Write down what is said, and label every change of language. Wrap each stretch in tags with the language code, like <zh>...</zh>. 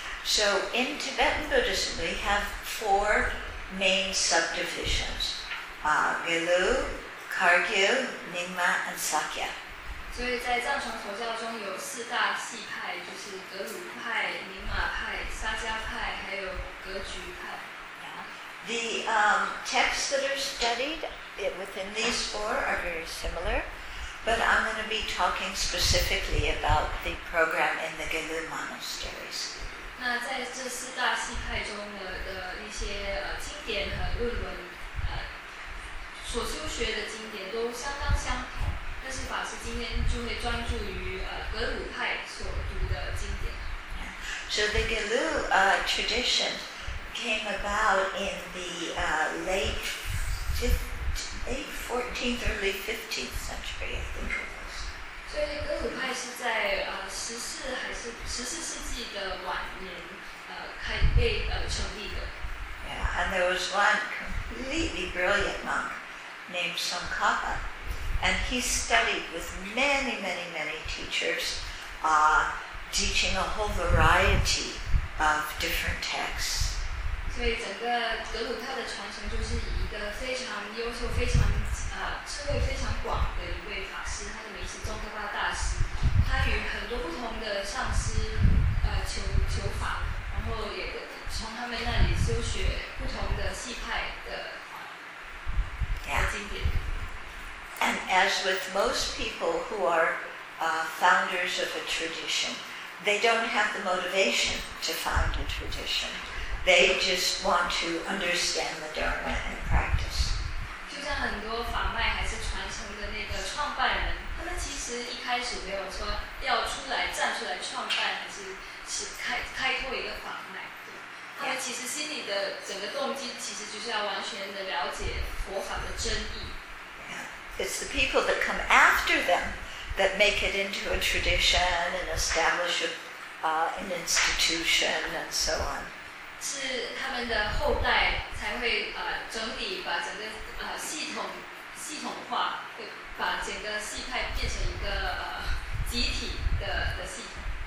<en>So in Tibetan Buddhism, we have four main subdivisions: Gelu, Kargyu, Nyingma, and Sakya.</en> <zh>所以在藏传佛教中有四大系派，就是格鲁派、宁玛派、沙迦派，还有格局派。</zh> <en>The texts that are studied within these four are very similar, but I'm going to be talking specifically about the program in the Gelu monasteries.</en> <zh>那在这四大系派中的一些经典和论文，所修学的经典都相当相同。但是法师今天就会专注于格鲁派所读的经典。</zh> <en>So the Gelu tradition came about in the late 14th, early 15th century, I think it was.</en> <zh>所以格鲁派是在14世纪的晚年成立的。</zh> <en>Yeah, and there was one completely brilliant monk named Tsongkhapa. And he studied with many, many, many teachers, teaching a whole variety of different texts.</en> <zh>所以整个格鲁派的传承就是以一个非常优秀、非常智慧非常广的一位法师，他的名字宗喀巴大师。他与很多不同的上师求法，然后也从他们那里修学不同的系派的经典。</zh> <en>And as with most people who are founders of a tradition, they don't have the motivation to found a tradition. They just want to understand the Dharma and practice.</en> <zh>就像很多法脉还是传承的那个创办人，他们其实一开始没有说要出来站出来创办，还是开拓一个法脉。他们其实心里的整个动机，其实就是要完全的了解佛法的真义。</zh> <en>It's the people that come after them that make it into a tradition and establish an institution and so on.</en> <zh>是他们的后代才会整理把整个系统化，把整个系派变成一个集体的系统。</zh>